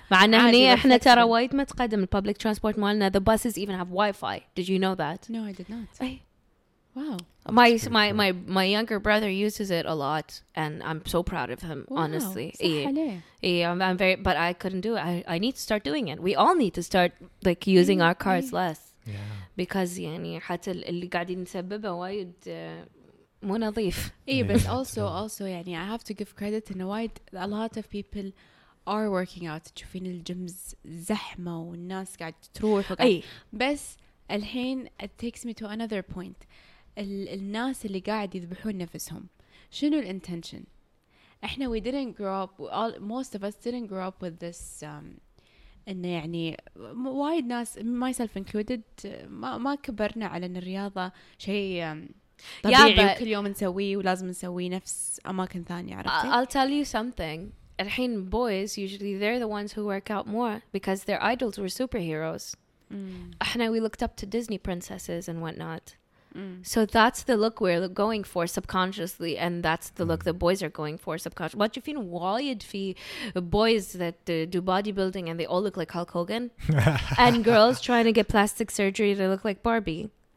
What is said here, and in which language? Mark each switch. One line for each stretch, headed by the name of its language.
Arabic: معنا هني إحنا ترى وايد متقدم ال
English: public transport
Arabic: مالنا
English: the buses even have Wi-Fi did you know that no I did not
Arabic: أي.
English: wow my younger brother uses it a lot and I'm so proud of him wow. honestly
Arabic: صح إيه.
English: عليه I'm very but I couldn't do it I need to start doing it we all need to start like using our cars less yeah.
Arabic: because يعني حتى اللي قاعدين نسببه وايد مو نظيف. إيه بس
English: also يعني I have to give credit
Arabic: إنه وايد
English: a lot of people are working out.
Arabic: تشوفين الجيمز زحمة والناس قاعد تروح. أي. بس الحين
English: it takes me to another point.
Arabic: الناس اللي قاعد يذبحون نفسهم. شنو الintention؟ إحنا
English: we didn't grow up. Most of us didn't grow up with this.
Arabic: إنه يعني وايد ناس
English: myself included
Arabic: ما كبرنا على إن الرياضة شيء. طبيعي كل يوم نسويه ولازم نسويه نفس أماكن ثانية عرفتي؟
English: I'll tell you something. الحين boys usually they're the ones who work out more because their idols were superheroes. إحنا we looked up to Disney princesses and whatnot. So that's the look we're going for subconsciously, and that's the look that boys are going for subconsciously. What you feel wired for boys that do bodybuilding and they all look like Hulk Hogan, and girls trying to get plastic surgery to look like Barbie.